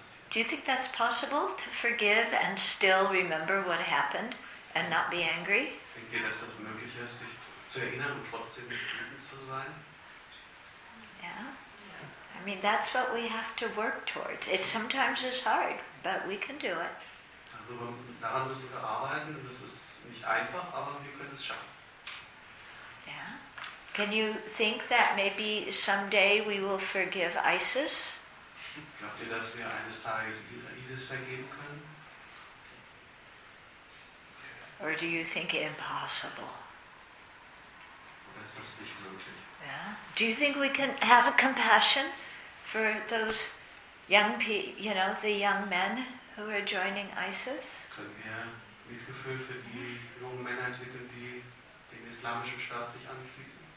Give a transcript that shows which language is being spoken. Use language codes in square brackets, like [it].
[en] Do you think that's possible, to forgive and still remember what happened and not be angry? [de] Denkt ihr, dass das möglich ist, sich zu erinnern und trotzdem nicht wütend zu sein? [en] Yeah. I mean, that's what we have to work towards. It sometimes is hard, but we can do it. [de] Also, daran müssen wir arbeiten. Das ist nicht einfach, aber wir können es schaffen. [en] Yeah. Can you think that maybe someday we will forgive ISIS? [de] Glaubt ihr, dass wir eines Tages ISIS vergeben können? [en] Or do you think it impossible? [de] Oder ist das nicht möglich? [en] Yeah. Do you think we can have a compassion for those young people, you know, the young men who are joining ISIS? [de] Können wir Mitgefühl für die jungen Männer entwickeln, die dem islamischen Staat sich anschließen?